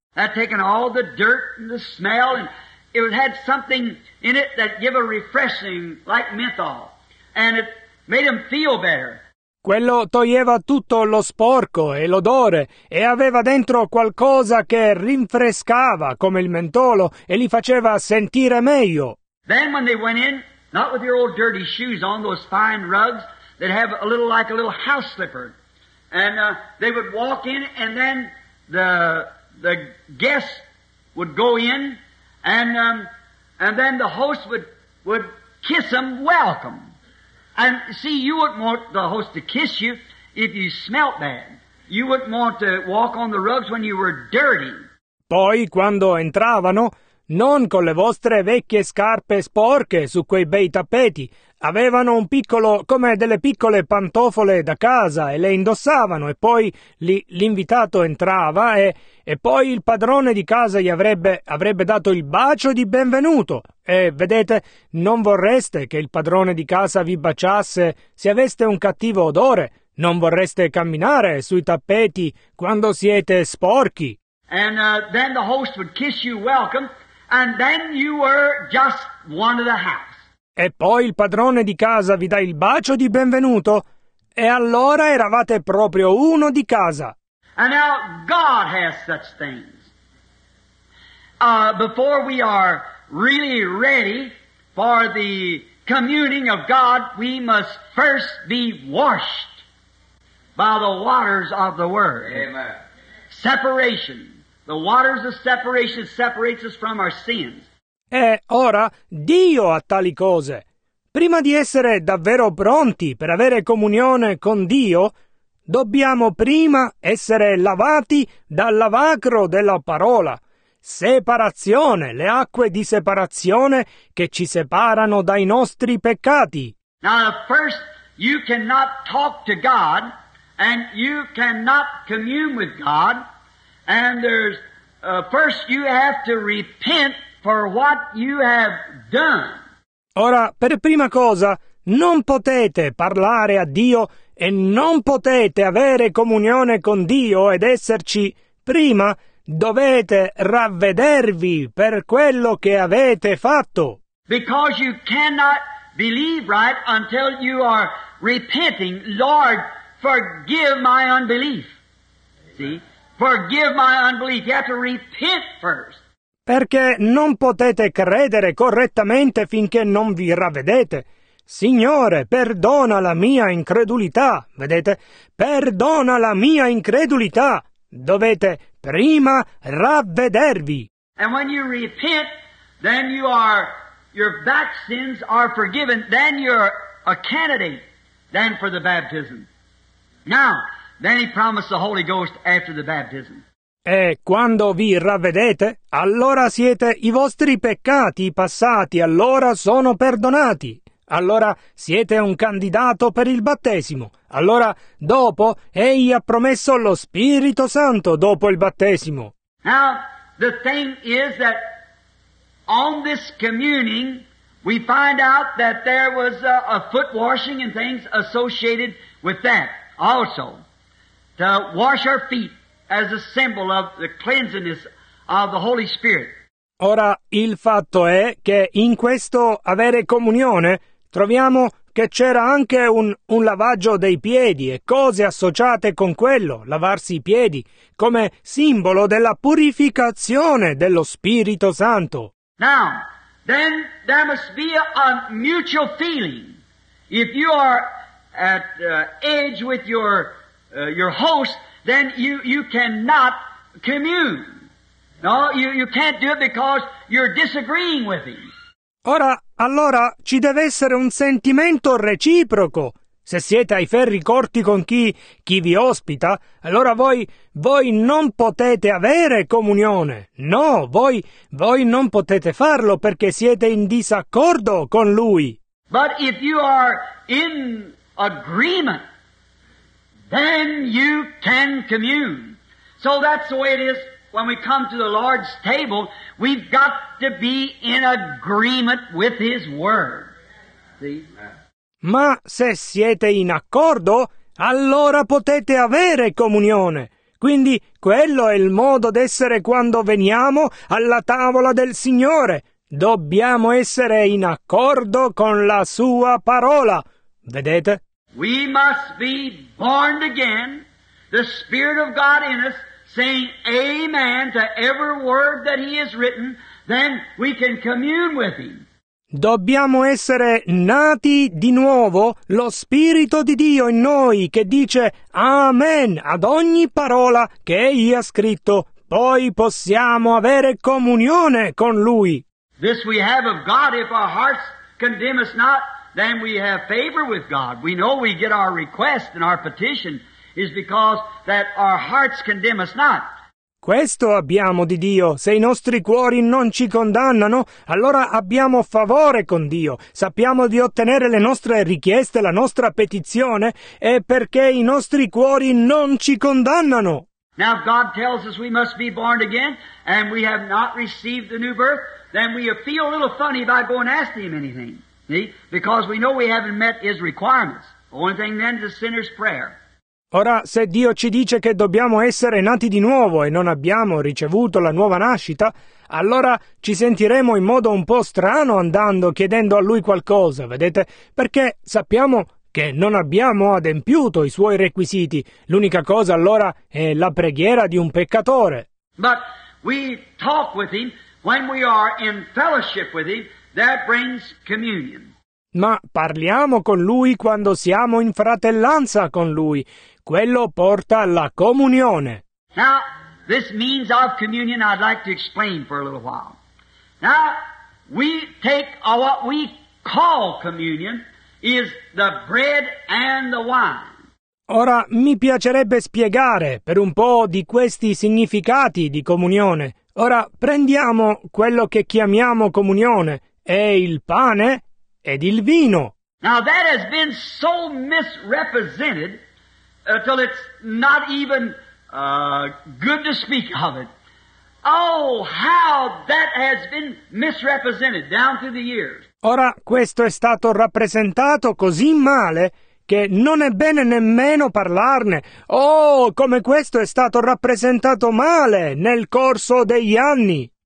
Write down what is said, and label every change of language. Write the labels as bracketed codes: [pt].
[en] That taken all the dirt and the smell and it had something in it that give a refreshing like menthol and it made him feel better. [it] Quello toglieva tutto lo sporco e l'odore e aveva dentro qualcosa che rinfrescava come il mentolo e li faceva sentire meglio. [en] Then when they went in, not with your old dirty shoes on, those fine rugs that have a little like a little house slipper. And they would walk in and then the guests would go in and then the host would kiss them welcome. And see, you wouldn't want the host to kiss you if you smelt bad. You wouldn't want to walk on the rugs when you were dirty. [it] Poi, quando entravano, non con le vostre vecchie scarpe sporche su quei bei tappeti. Avevano un piccolo, come delle piccole pantofole da casa, e le indossavano, e poi l'invitato entrava, e poi il padrone di casa gli avrebbe dato il bacio di benvenuto. E, vedete, non vorreste che il padrone di casa vi baciasse se aveste un cattivo odore. Non vorreste camminare sui tappeti quando siete sporchi. [en] And then the host would kiss you welcome, and then you were just one of the house. [it] E poi il padrone di casa vi dà il bacio di benvenuto, e allora eravate proprio uno di casa. [en] And now God has such things. Before we are really ready for the communing of God, we must first be washed by the waters of the Word. Amen. Separation. The waters of separation separates us from our sins. [it] E ora Dio ha tali cose. Prima di essere davvero pronti per avere comunione con Dio, dobbiamo prima essere lavati dal lavacro della parola. Separazione, le acque di separazione che ci separano dai nostri peccati. [en] Now, first, you cannot talk to God, and you cannot commune with God, and there's first you have to repent for what you have done. [it] Ora, per prima cosa, non potete parlare a Dio e non potete avere comunione con Dio ed esserci. Prima dovete ravvedervi per quello che avete fatto. [en] Because you cannot believe right until you are repenting. Lord, forgive my unbelief. See? Forgive my unbelief. You have to repent first. [it] Perché non potete credere correttamente finché non vi ravvedete. Signore, perdona la mia incredulità. Vedete? Perdona la mia incredulità. Dovete prima ravvedervi. [en] And when you repent, then you are, your back sins are forgiven. Then you're a candidate then for the baptism. Now, then he promised the Holy Ghost after the baptism. [it] E quando vi ravvedete, allora siete i vostri peccati passati, allora sono perdonati. Allora siete un candidato per il battesimo. Allora, dopo, egli ha promesso lo Spirito Santo dopo il battesimo. [en] Now, the thing is that on this communing, we find out that there was a foot washing and things associated with that also. To wash our feet. As a symbol of the cleanliness of the Holy Spirit. [it] Ora, il fatto è che in questo avere comunione troviamo che c'era anche un lavaggio dei piedi e cose associate con quello, lavarsi i piedi, come simbolo della purificazione dello Spirito Santo. [en] Now, then there must be a mutual feeling. If you are at age with your host, then you cannot commune. No, you can't do it because you're disagreeing with him. [it] Ora, allora, ci deve essere un sentimento reciproco. Se siete ai ferri corti con chi vi ospita, allora voi non potete avere comunione. No, voi non potete farlo perché siete in disaccordo con lui. [en] But if you are in agreement, then you can commune. So that's the way it is when we come to the Lord's table. We've got to be in agreement with His Word. See? [it] Ma se siete in accordo, allora potete avere comunione. Quindi quello è il modo d'essere quando veniamo alla tavola del Signore. Dobbiamo essere in accordo con la Sua parola. Vedete? [en] We must be born again, the Spirit of God in us, saying amen to every word that He has written, then we can commune with Him. [it] Dobbiamo essere nati di nuovo, lo Spirito di Dio in noi, che dice amen ad ogni parola che Egli ha scritto. Poi possiamo avere comunione con Lui. [en] This we have of God, if our hearts condemn us not, then we have favor with God. We know we get our request and our petition is because that our hearts condemn us not. [it] Questo abbiamo di Dio. Se i nostri cuori non ci condannano, allora abbiamo favore con Dio. Sappiamo di ottenere le nostre richieste, la nostra petizione, è perché i nostri cuori non ci condannano. [en] Now God tells us we must be born again, and we have not received the new birth, then we feel a little funny about going to ask Him anything. See? Because we know we haven't met His requirements. The only thing then is the sinner's prayer. [it] Ora, se Dio ci dice che dobbiamo essere nati di nuovo e non abbiamo ricevuto la nuova nascita, allora ci sentiremo in modo un po' strano andando chiedendo a Lui qualcosa, vedete? Perché sappiamo che non abbiamo adempiuto i Suoi requisiti. L'unica cosa allora è la preghiera di un peccatore. [en] But we talk with Him when we are in fellowship with Him, that brings communion. [it] Ma parliamo con Lui quando siamo in fratellanza con Lui. Quello porta alla comunione. [en] Now, this means of communion I'd like to explain for a little while. Now, we take what we call communion is the bread and the wine. [it] Ora, mi piacerebbe spiegare per un po' di questi significati di comunione. Ora, prendiamo quello che chiamiamo comunione, è il pane ed il vino. [en] Now that has been so misrepresented until it's not even good to speak of it. Oh, how that has been misrepresented down through the years. [it] Ora questo è stato rappresentato così male che non è bene nemmeno parlarne. Oh, come questo è stato rappresentato male nel corso degli anni.